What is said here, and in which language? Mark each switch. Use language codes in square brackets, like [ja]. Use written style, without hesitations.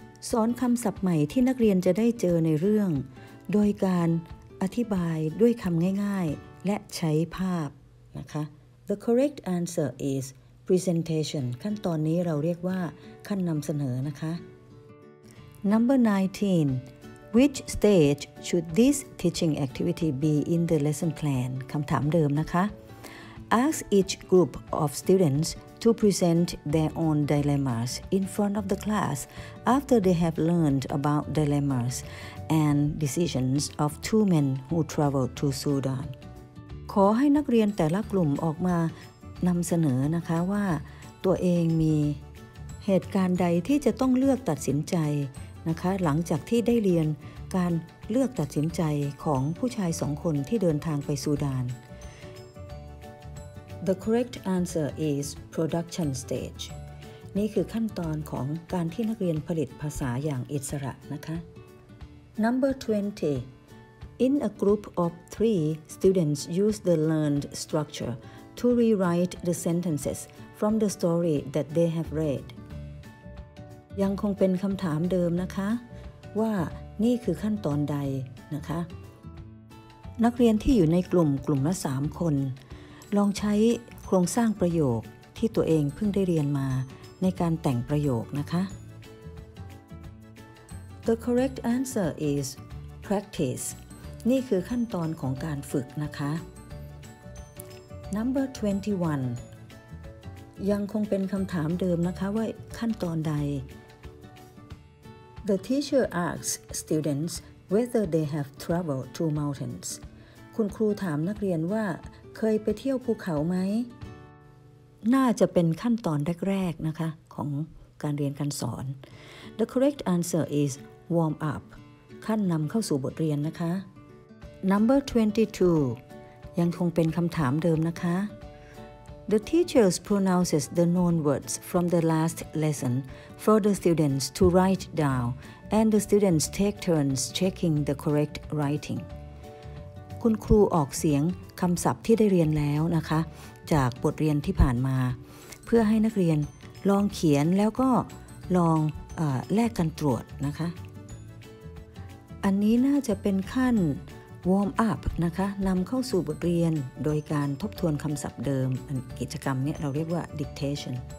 [th] สอนคำศัพท์ใหม่ที่นักเรียนจะได้เจอในเรื่องโดยการอธิบายด้วยคำง่ายๆและใช้ภาพนะคะ [en] The correct answer is presentation [th] ขั้นตอนนี้เราเรียกว่าขั้นนำเสนอนะคะ [en] Number 19 Which stage should this teaching activity be in the lesson plan? [th] คำถามเดิมนะคะ [en] Ask each group of studentsTo present their own dilemmas in front of the class after they have learned about dilemmas and decisions of two men who traveled to Sudan. [th] ขอให้นักเรียนแต่ละกลุ่มออกมานำเสนอนะคะว่าตัวเองมีเหตุการณ์ใดที่จะต้องเลือกตัดสินใจนะคะหลังจากที่ได้เรียนการเลือกตัดสินใจของผู้ชายสองคนที่เดินทางไปซูดาน [en] The correct answer is production stage. [th] นี่คือขั้นตอนของการที่นักเรียนผลิตภาษาอย่างอิสระนะคะ [en] Number 20. In a group of three, students use the learned structure to rewrite the sentences from the story that they have read. [th] ยังคงเป็นคำถามเดิมนะคะว่านี่คือขั้นตอนใดนะคะ นักเรียนที่อยู่ในกลุ่มละ3คนลองใช้โครงสร้างประโยคที่ตัวเองเพิ่งได้เรียนมาในการแต่งประโยคนะคะ [en] The correct answer is practice [th] นี่คือขั้นตอนของการฝึกนะคะ [en] Number 21 [th] ยังคงเป็นคำถามเดิมนะคะว่าขั้นตอนใด [en] The teacher asks students whether they have traveled to mountains [th] คุณครูถามนักเรียนว่าเคยไปเที่ยวภูเขาไหม น่าจะเป็นขั้นตอนแรกๆนะคะของการเรียนการสอน [en] The correct answer is warm up [th] ขั้นนำเข้าสู่บทเรียนนะคะ [en] Number 22 [th] ยังคงเป็นคำถามเดิมนะคะ [en] The teachers pronounces the known words from the last lesson for the students to write down and the students take turns checking the correct writing [th] คุณครูออกเสียงคำศัพท์ที่ได้เรียนแล้วนะคะจากบทเรียนที่ผ่านมาเพื่อให้นักเรียนลองเขียนแล้วก็ลองแลกกันตรวจนะคะ อันนี้น่าจะเป็นขั้น warm up นะคะนำเข้าสู่บทเรียนโดยการทบทวนคำศัพท์เดิมกิจกรรมนี้เราเรียกว่า dictation